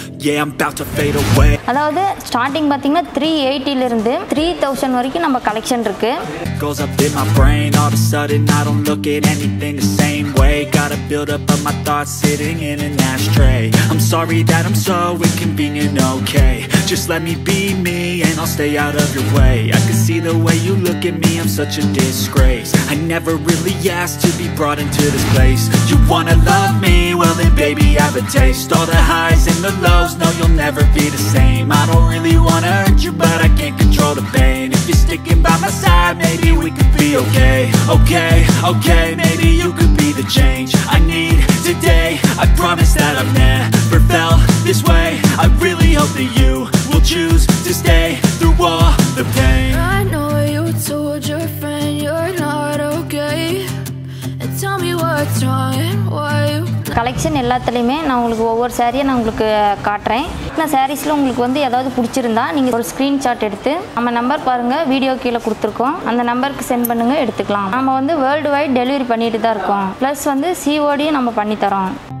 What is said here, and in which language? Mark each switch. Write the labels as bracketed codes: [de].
[ta] அதாவது ஸ்டார்டிங் பார்த்தீங்கன்னா 380 3000 வரைக்கும் நம்ம கலெக்ஷன் இருக்கு. [en] Goes up in my brain all of a sudden I don't look at anything the same way. Gotta build up of my thoughts sitting in an ashtray. I'm sorry that I'm so inconvenient, okay. Just let me be me and I'll stay out of your way. I can see the way you look at me, I'm such a disgrace. I never really asked to be brought into this place. You wanna love me, well then baby I have a taste. All the highs and the lows, no you'll never be the same. I don't really wanna hurt you but I can't control the pain. If you're sticking by my side, maybe we could be okay, okay, okay. Maybe you could be the change I need today. I promise that I've never felt this way. I really hope that you will choose to stay through all the pain. I know you told your friend you're not okay. And tell me what's wrong and why you... [ta] collection எல்லாத்துலேயுமே நான் உங்களுக்கு ஒவ்வொரு சாரியை நான் உங்களுக்கு காட்டுறேன். நான் சாரீஸில் உங்களுக்கு வந்து ஏதாவது பிடிச்சிருந்தா நீங்கள் ஒரு ஸ்க்ரீன்ஷாட் எடுத்து நம்ம நம்பர் பாருங்கள், வீடியோ கீழே கொடுத்துருக்கோம், அந்த நம்பருக்கு சென்ட் பண்ணுங்கள், எடுத்துக்கலாம். நம்ம வந்து வேர்ல்டு வைட் டெலிவரி பண்ணிட்டு தான் இருக்கோம். ப்ளஸ் வந்து சிஓடியும் நம்ம பண்ணித்தரோம்.